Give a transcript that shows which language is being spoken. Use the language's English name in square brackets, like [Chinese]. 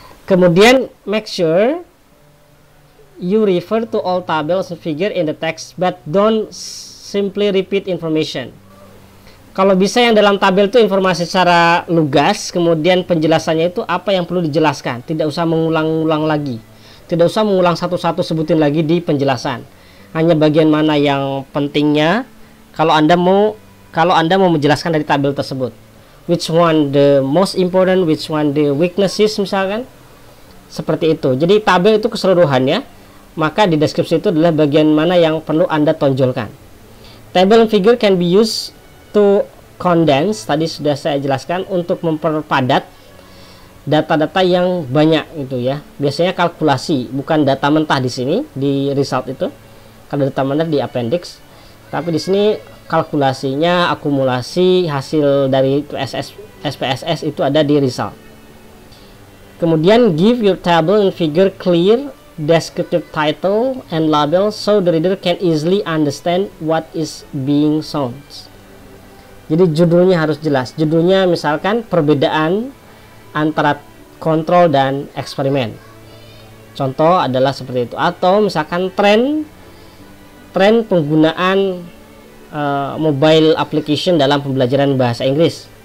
[Indonesian] Kemudian [English] make sure you refer to all tables and figure in the text but don't simply repeat information. [Indonesian] Kalau bisa yang dalam tabel itu informasi secara lugas, kemudian penjelasannya itu apa yang perlu dijelaskan, tidak usah mengulang-ulang lagi. Tidak usah mengulang satu-satu sebutin lagi di penjelasan. Hanya bagian mana yang pentingnya kalau Anda mau menjelaskan dari tabel tersebut. [English] Which one the most important, which one the weaknesses [Indonesian] misalkan. Seperti itu. Jadi tabel itu keseluruhannya. Maka di deskripsi itu adalah bagian mana yang perlu Anda tonjolkan. [English] Table and figure can be used to condense, [Indonesian] tadi sudah saya jelaskan, untuk memperpadat data-data yang banyak itu ya. Biasanya kalkulasi, bukan data mentah di sini, di result itu. Kalau data mentah di appendix. Tapi di sini kalkulasinya, akumulasi, hasil dari SPSS itu ada di result. Kemudian [English] give your table and figure clear descriptive title and label so the reader can easily understand what is being shown. [Indonesian] Jadi judulnya harus jelas. Judulnya misalkan perbedaan antara kontrol dan eksperimen. Contoh adalah seperti itu. Atau misalkan tren penggunaan mobile application dalam pembelajaran bahasa Inggris.